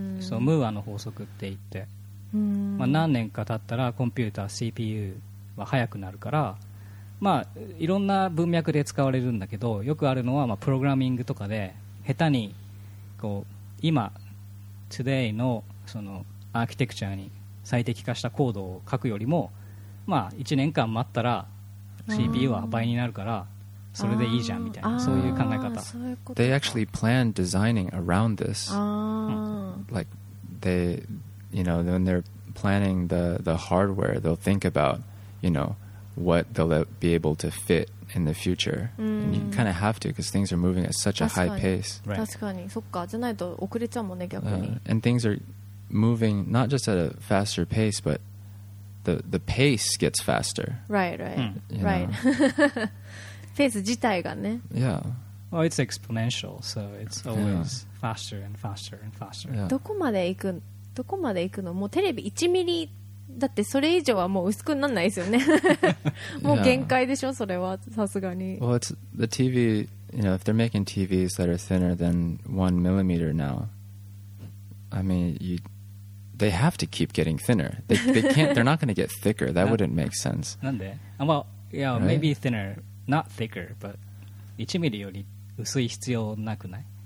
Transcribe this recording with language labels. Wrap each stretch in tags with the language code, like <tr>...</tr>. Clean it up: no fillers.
<ja>So Moore の法則って言って、まあ何年か経ったらコンピューター CPU は速くなるから、まあいろんな文脈で使われるんだけど、よくあるのはまあプログラミングとかで下手にこう今 today のそのアーキテクチャに最適化したコードを書くよりも、まあ1年間待ったら CPU は倍になるから。それでいいじゃんみたいな、そういう考え方。</ja> <en>They actually plan designing around this. Like they, you know, when they're planning the hardware, they'll think about, you know, what they'll be able to fit in the future. And you kind of have to, because things are moving at such a high pace.</en> <ja>確かに、そっか、じゃないと遅れちゃうもんね、逆に。</ja> <en>And things are moving not just at a faster pace, but the pace gets faster.</en> <ja>Right. Phase 自体がね。</ja> <en>Yeah. Well, it's exponential, so it's always faster and faster and faster.</en> <ja>Yeah. どこまで行くの？もうテレビ1ミリだってそれ以上はもう薄くなんないですよね。もう限界でしょ、それはさすがに。</ja> <en>Well, it's the TV. You know, if they're making TVs that are thinner than 1 millimeter now, I mean, they have to keep getting thinner. They can't. They're not going to get thicker. That wouldn't make sense.</en> <ja>なんで？</ja> <en>Well, yeah, right? maybe thinner. Not thicker, but</en> <ja>1 ミリより薄い必要なくない</ja>